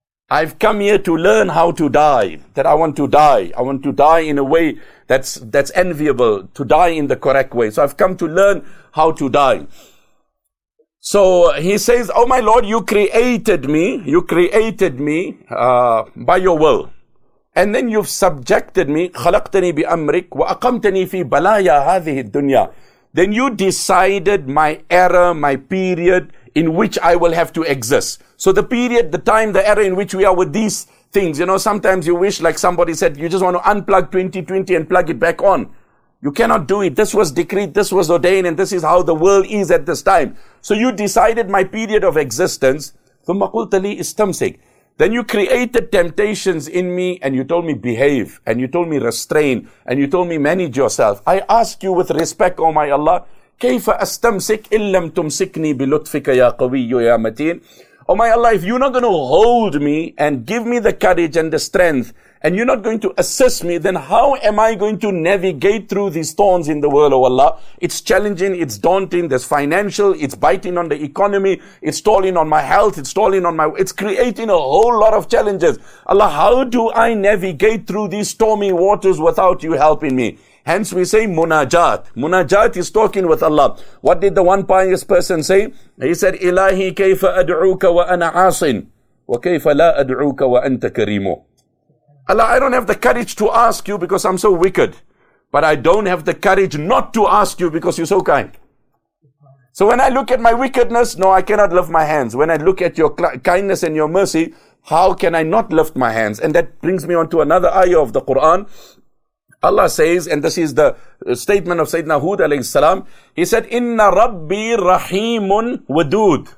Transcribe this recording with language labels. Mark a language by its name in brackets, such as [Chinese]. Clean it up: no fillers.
[English] I've come here to learn how to die, that I want to die. I want to die in a way that's enviable, to die in the correct way. So I've come to learn how to die. So he says, oh my Lord, you created me by your will. And then you've subjected me, [Arabic] خَلَقْتَنِي بِأَمْرِكَ وَأَقَمْتَنِي فِي بَلَايَا هَذِهِ الدُّنْيَا. [English] Then you decided my era, my period, in which I will have to exist. So the period, the time, the era in which we are with these things, you know, sometimes you wish, like somebody said, you just want to unplug 2020 and plug it back on. You cannot do it. This was decreed, this was ordained, and this is how the world is at this time. So you decided my period of existence. [Arabic] ثُمَّ قُلْتَ لِي إِسْتَمْسِكْ. [English] Then you created temptations in me, and you told me behave, and you told me restrain, and you told me manage yourself. I ask you with respect, O my Allah, [Arabic] كَيْفَ أَسْتَمْسِكْ إِلَّا لَمْ تُمْسِكْنِي بِلُطْفِكَ يَا قَوِيُّ يَا مَتِينَ. [English] Oh my Allah, if you're not going to hold me and give me the courage and the strength, and you're not going to assist me, then how am I going to navigate through these thorns in the world, oh Allah? It's challenging, it's daunting, there's financial, it's biting on the economy, it's stalling on my health, it's stalling on my... It's creating a whole lot of challenges. Allah, how do I navigate through these stormy waters without you helping me? Hence we say munajat. Munajat is talking with Allah. What did the one pious person say? He said, [Arabic] إِلَهِ كَيْفَ أَدْعُوكَ وَأَنَا عَاصٍ وَكَيْفَ لَا أَدْعُوكَ وَأَنْتَ كَرِيمٌ. [English] Allah, I don't have the courage to ask you because I'm so wicked. But I don't have the courage not to ask you because you're so kind. So when I look at my wickedness, no, I cannot lift my hands. When I look at your kindness and your mercy, how can I not lift my hands? And that brings me on to another ayah of the Quran. Allah says, and this is the statement of Sayyidina Hud alayhi salam, he said, [Arabic] Inna Rabbi Rahimun Wadud.